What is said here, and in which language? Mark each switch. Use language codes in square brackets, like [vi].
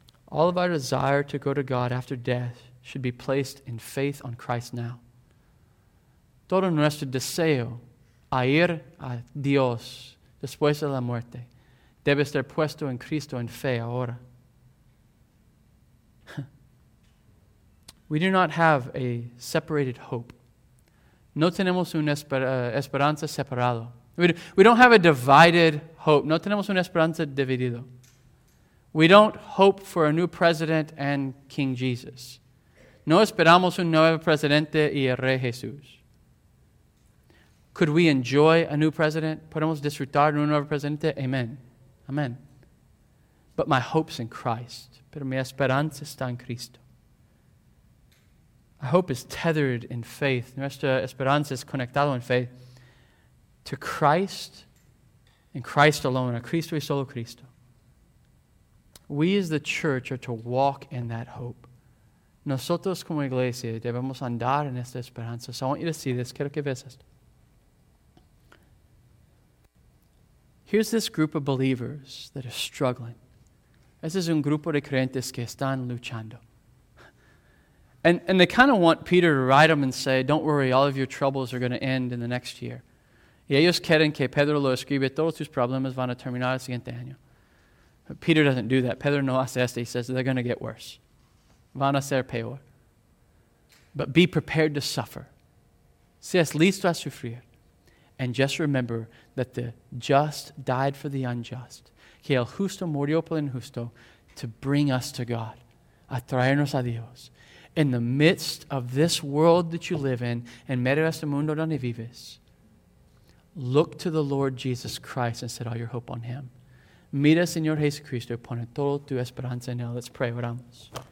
[en] All of our desire to go to God after death should be placed in faith on Christ now. [es] todo nuestro deseo a ir a Dios después de la muerte debe estar puesto en Cristo en fe ahora. [en] We do not have a separated hope. [es] No tenemos una esperanza separada. [en] We don't have a divided hope. [es] No tenemos una esperanza dividida. [en] We don't hope for a new president and King Jesus. [es] No esperamos un nuevo presidente y el rey Jesús. [en] Could we enjoy a new president? [es] Podemos disfrutar de un nuevo presidente? Amen. Amen. [en] But my hope's in Christ. [es] Pero mi esperanza está en Cristo. [en] Our hope is tethered in faith. [es] Nuestra esperanza es conectada en [en] faith to Christ and Christ alone, [es] a Cristo y solo Cristo. [en] We as the church are to walk in that hope. [es] Nosotros como iglesia debemos andar en esta esperanza. [en] So I want you to see this. [es] Quiero que veas esto. [en] Here's this group of believers that are struggling. [es] Este es un grupo de creyentes que están luchando. [en] And they kind of want Peter to write them and say, don't worry, all of your troubles are going to end in the next year. [es] Y ellos quieren que Pedro lo escribe, todos tus problemas van a terminar el siguiente año. [en] But Peter doesn't do that. [es] Pedro no hace esto. [en] He says they're going to get worse. [es] Van a ser peor. [en] But be prepared to suffer. [es] Seas listo a sufrir. [en] And just remember that the just died for the unjust. [es] Que el justo murió por el injusto [en] to bring us to God. [es] A traernos a Dios. [en] In the midst of this world that you live in, [es] en medio de este mundo donde vives, [en] look to the Lord Jesus Christ and set all your hope on Him. [es] Mira, Señor Jesucristo, pone toda tu esperanza en Él. [en] Let's pray, [es] oramos.